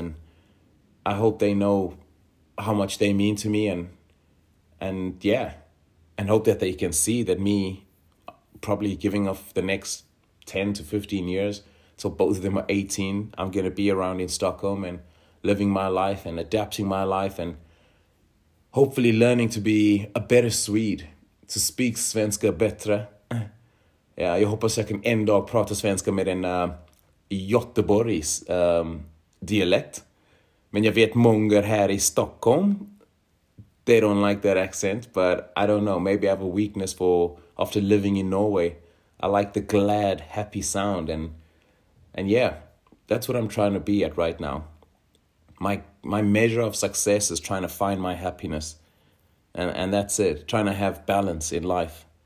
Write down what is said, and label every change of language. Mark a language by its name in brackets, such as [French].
[English] And I hope they know how much they mean to me, and yeah, and hope that they can see that me probably giving off the next 10 to 15 years till both of them are 18, I'm going to be around in Stockholm and living my life and adapting my life and hopefully learning to be a better Swede, to speak svenska bättre. [Swedish] Yeah, jag hoppas jag kan ändå prata svenska med en Göteborgs dialekt. [English] Men jag vet många här i Stockholm, they don't like that accent, but I don't know, maybe I have a weakness for, after living in Norway, I like the glad, happy sound, and yeah, that's what I'm trying to be at right now. My measure of success is trying to find my happiness, and that's it, trying to have balance in life.